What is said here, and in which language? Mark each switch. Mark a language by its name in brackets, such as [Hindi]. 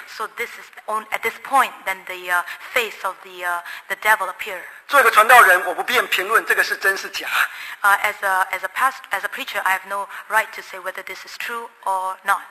[English] So this is at this point, then the face of the devil appear. [Chinese] 作为一个传道人，我不便评论这个是真是假。 [English] As a preacher, I have no right to say whether this is true or not.